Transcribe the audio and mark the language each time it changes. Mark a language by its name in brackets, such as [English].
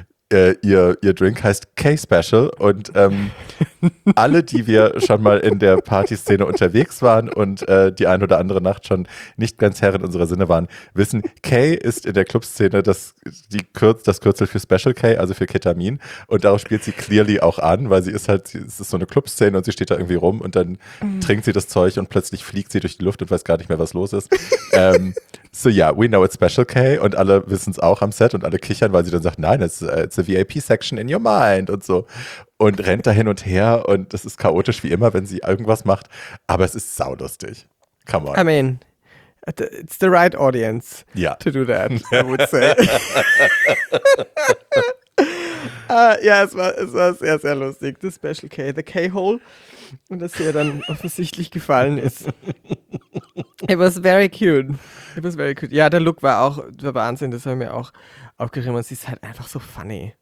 [German] ihr Drink heißt K-Special und alle, die wir schon mal in der Partyszene unterwegs waren und die ein oder andere Nacht schon nicht ganz Herr in unserer Sinne waren, wissen, K ist in der Clubszene das Kürzel für Special K, also für Ketamin, und darauf spielt sie clearly auch an, weil sie ist halt, es ist so eine Clubszene und sie steht da irgendwie rum und dann trinkt sie das Zeug und plötzlich fliegt sie durch die Luft und weiß gar nicht mehr, was los ist. So ja, [English] yeah, we know it's Special K [German] und alle wissen es auch am Set und alle kichern, weil sie dann sagt, nein, [English] it's a VIP-Section in your mind [German] und so. Und rennt da hin und her und es ist chaotisch wie immer, wenn sie irgendwas macht, aber es ist saulustig. [English] Come on. I mean, it's the right audience to do that, I would say. [German] Ja, es war sehr, sehr lustig. Das Special K, the K-Hole. Und dass er dann offensichtlich gefallen ist. [English] It was very cute. [German] Ja, der Look war Wahnsinn. Das haben wir auch aufgeregt. Und sie ist halt einfach so funny.